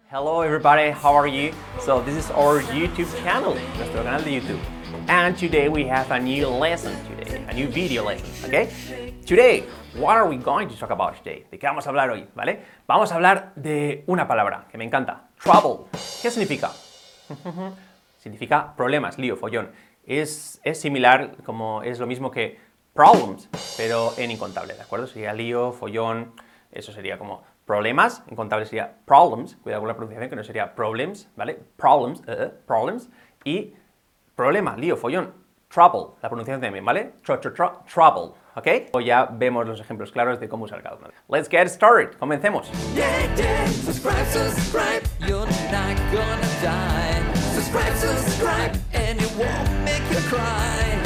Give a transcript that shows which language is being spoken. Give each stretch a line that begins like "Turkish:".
English: Hello everybody, how are you? So this is our YouTube channel,
Spanish: nuestro canal de YouTube.
English: And today we have a new lesson today, a new video lesson, okay? Today, what are we going to talk about today?
Spanish: ¿De qué vamos a hablar hoy, vale? Vamos a hablar de una palabra que me encanta, trouble. ¿Qué significa? Significa problemas, lío, follón. Es similar, como es lo mismo que problems, pero en incontable, ¿de acuerdo? Sería lío, follón, eso sería como problemas, incontable sería problems, cuidado con la pronunciación que no sería problems, ¿vale? Problems, problems, y problema, lío, follón, trouble, la pronunciación también, ¿vale? Trouble, ¿ok? O ya vemos los ejemplos claros de cómo usar cada uno.
English: Let's get started,
Spanish: comencemos.
English: Yeah, yeah, subscribe, you're not gonna die. Subscribe, and it won't make you cry.